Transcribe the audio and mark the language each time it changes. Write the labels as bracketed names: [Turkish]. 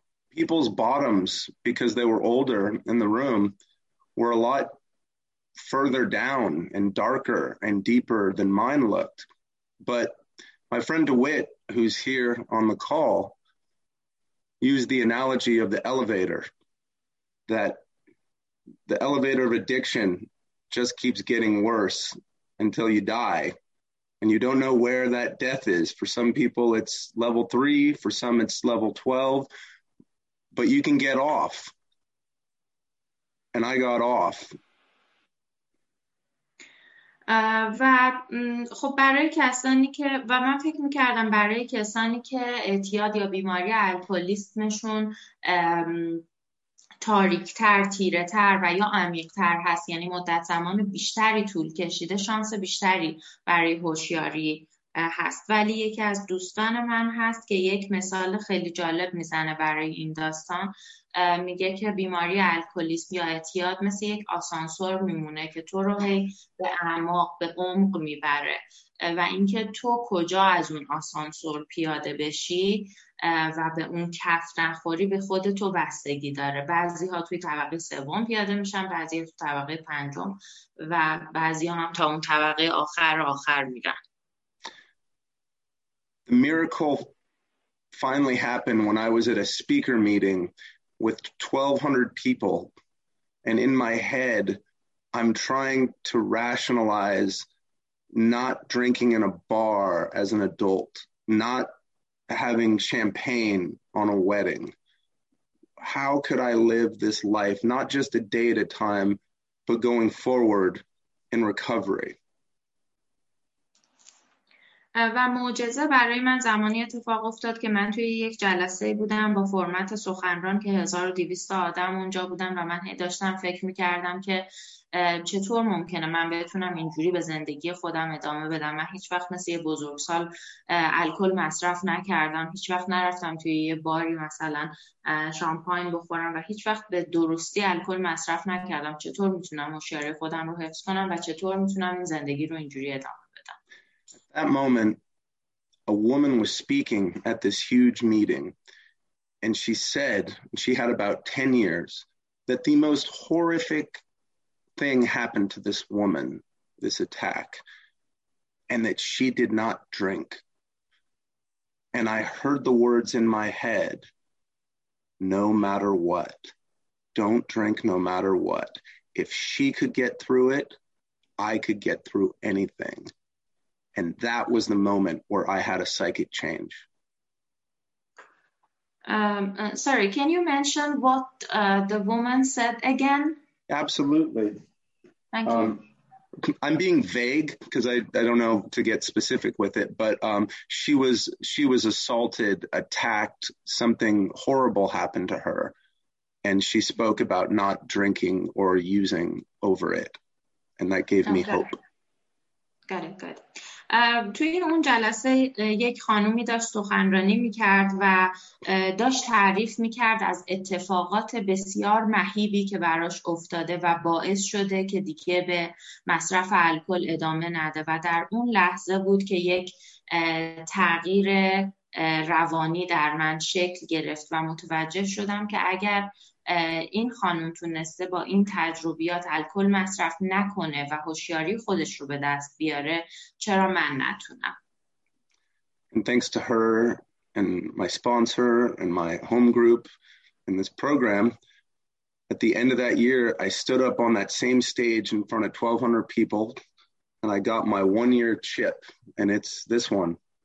[English] People's bottoms, because they were older in the room, were a lot further down and darker and deeper than mine looked. But my friend DeWitt, who's here on the call, use the analogy of the elevator, that the elevator of addiction just keeps getting worse until you die, and you don't know where that death is. For some people it's level 3, for some it's level 12, but you can get off, and I got off. [Persian] و خب برای کسانی که و من فکر میکردم برای کسانی که اعتیاد یا بیماری الکلیسمشون تاریکتر، تیره‌تر و یا عمیق‌تر هست، یعنی مدت زمان بیشتری طول کشیده، شانس بیشتری برای هوشیاری هست. ولی یکی از دوستان من هست که یک مثال خیلی جالب میزنه برای این داستان. میگه که بیماری الکلیسم یا اعتیاد مثل یک آسانسور میمونه که تو رو هی به اعماق، به عمق میبره و اینکه تو کجا از اون آسانسور پیاده بشی و به اون کف نخوری به خود تو بستگی داره. بعضی ها توی طبقه سوم پیاده میشن، بعضی ها توی طبقه پنجم و بعضی ها هم تا اون طبقه آخر میرن. [English] The miracle finally happened when I was at a speaker meeting with 1,200 people, and in my head, I'm trying to rationalize not drinking in a bar as an adult, not having champagne on a wedding. How could I live this life, not just a day at a time, but going forward in recovery? [Persian] و معجزه برای من زمانی اتفاق افتاد که من توی یک جلسه بودم با فرمت سخنران که 1200 آدم اونجا بودن و من هی داشتم فکر میکردم که چطور ممکنه من بتونم اینجوری به زندگی خودم ادامه بدم. من هیچ وقت مثل یه بزرگسال الکل مصرف نکردم، هیچ وقت نرفتم توی یه باری مثلا شامپاین بخورم و هیچ وقت به درستی الکل مصرف نکردم. چطور میتونم هوشیاری خودم رو حفظ کنم و چطور میتونم این زندگی رو اینجوری ادامه؟ [English] That moment, a woman was speaking at this huge meeting, and she said, and she had about 10 years, that the most horrific thing happened to this woman, this attack, and that she did not drink. And I heard the words in my head, no matter what, don't drink no matter what. If she could get through it, I could get through anything. And that was the moment where I had a psychic change. Sorry, can you mention what the woman said again? Absolutely. Thank you. I'm being vague because I don't know to get specific with it, but she was assaulted, attacked, something horrible happened to her, and she spoke about not drinking or using over it, and that gave me hope. Got it, good. [Persian] توی اون جلسه یک خانومی داشت سخنرانی میکرد و داشت تعریف میکرد از اتفاقات بسیار مهیبی که براش افتاده و باعث شده که دیگه به مصرف الکل ادامه نده و در اون لحظه بود که یک تغییر روانی در من شکل گرفت و متوجه شدم که اگر این خانم تونسته با این تجربیات الکل مصرف نکنه و هوشیاری خودش رو به دست بیاره، چرا من نتونم؟ [English] And thanks to her and my sponsor and my home group and this program, at the end of that year, I stood up on that same stage in front of 1,200 people and I got my one-year chip, and it's this one.